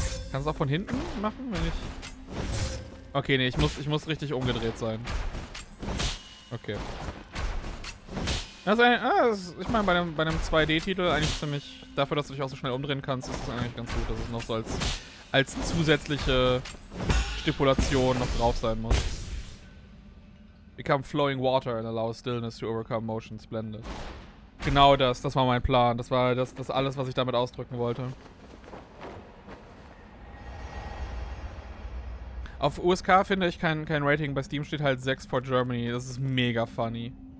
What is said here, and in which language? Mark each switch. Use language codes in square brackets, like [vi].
[de] Kannst du auch von hinten machen, wenn ich. Okay, nee, ich muss richtig umgedreht sein. Okay. Ich meine, bei einem 2D-Titel eigentlich ziemlich, dafür, dass du dich auch so schnell umdrehen kannst, ist es eigentlich ganz gut, dass es noch so als zusätzliche Stipulation noch drauf sein muss. [en] Become flowing water and allow stillness to overcome motion. Splendid. [de] Genau das war mein Plan. Das war das alles, was ich damit ausdrücken wollte. Auf USK finde ich kein Rating, bei Steam steht halt 6 [en] for Germany. [de] Das ist mega funny.